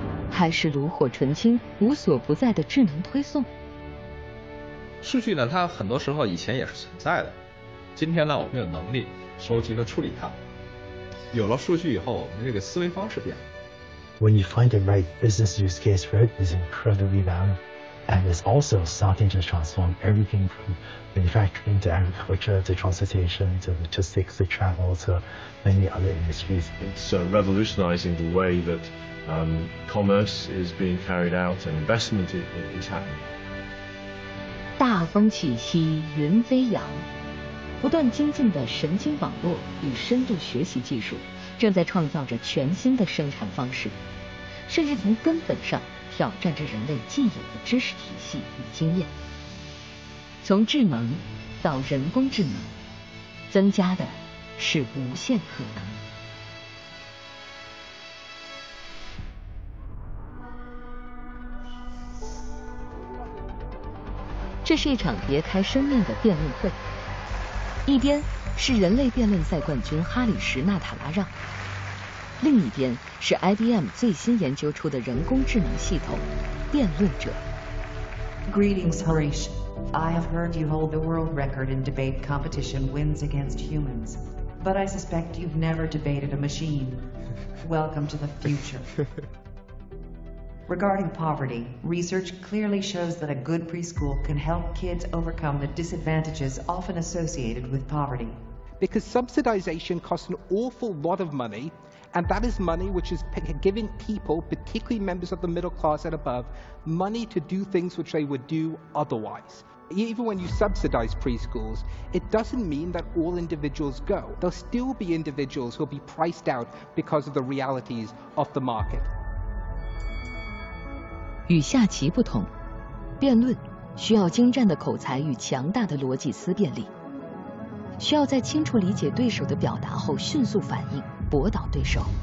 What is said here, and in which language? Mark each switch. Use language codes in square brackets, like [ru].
[zh] 还是炉火纯青、无所不在的智能推送。数据呢，它很多时候以前也是存在的，今天呢，我们有能力收集和处理它。有了数据以后，我们这个思维方式变了。 [en] When you find the right business use case for it, it's incredibly valuable, and it's also starting to transform everything from manufacturing to agriculture to transportation to logistics to travel to many other industries. It's revolutionizing the way that commerce is being carried out and investment is happening. [zh] 大风起兮云飞扬。不断精进的神经网络与深度学习技术正在创造着全新的生产方式，甚至从根本上挑战着人类既有的知识体系与经验。从智能到人工智能，增加的是无限可能。这是一场别开生面的辩论会，一边是人类辩论赛冠军哈里什·纳塔拉让，另一边是 IBM 最新研究出的人工智能系统辩论者。 [en] Greetings, Harish. I have heard you hold the world record in debate competition wins against humans, but I suspect you've never debated a machine. Welcome to the future. Regarding poverty, research clearly shows that a good preschool can help kids overcome the disadvantages often associated with poverty. Because subsidization costs an awful lot of money, and that is money which is giving people, particularly members of the middle class and above, money to do things which they would do otherwise. Even when you subsidize preschools, it doesn't mean that all individuals go. There'll still be individuals who'll be priced out because of the realities of the market. [zh] 与下棋不同，辩论需要精湛的口才与强大的逻辑思辨力，需要在清楚理解对手的表达后迅速反应，驳倒对手。